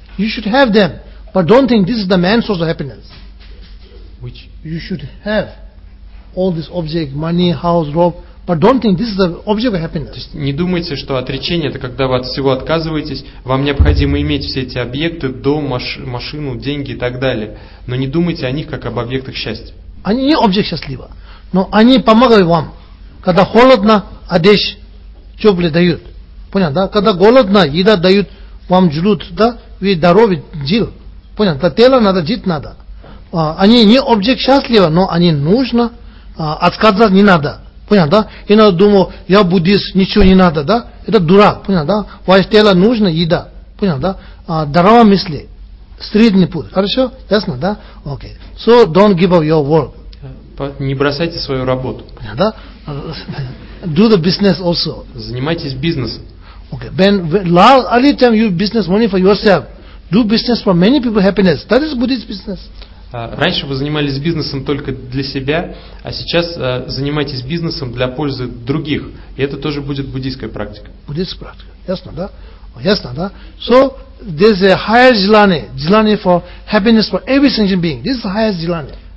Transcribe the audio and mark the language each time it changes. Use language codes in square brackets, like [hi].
[en] You should have them, but don't think this is the main source of happiness. Which you should have all these objects, money, house, robe, But don't think this is the object of happiness. [ru] То есть не думайте, что отречение это когда вы от всего отказываетесь. Вам необходимо иметь все эти объекты: дом, машину, деньги и так далее. Но не думайте о них как об объектах счастья. Они не объект счастлива, но они помогают вам, когда холодно, одежь теплый дают. Понял, да? Когда голодно, еда дают вам жрут, да? Вы здоровы, жил. Понял? Да, тело надо, жить надо. Они не объект счастлива, но они нужно, отказаться не надо. Понял, да? И надо думать, я буддист, ничего не надо, да? Это дурак, понял, да? Ваше тело нужно, еда. Понял, да? Здоровые мысли. Средний путь. Хорошо? Ясно, да? Окей. Okay. [en] So, don't give up your work. [ru] Не бросайте свою работу. Понял, да? [en] Do the business also. [ru] Занимайтесь бизнесом. [en] Okay. When early time you business money for yourself. Do business for many people happiness. That is Buddhist business. [ru] Раньше вы занимались бизнесом только для себя, а сейчас занимайтесь бизнесом для пользы других. И это тоже будет буддийская практика. Буддийская практика. Ясно, да? Ясно, да? [en] So, there's a higher jilani. Jilani for happiness for every single being. This is the highest jilani.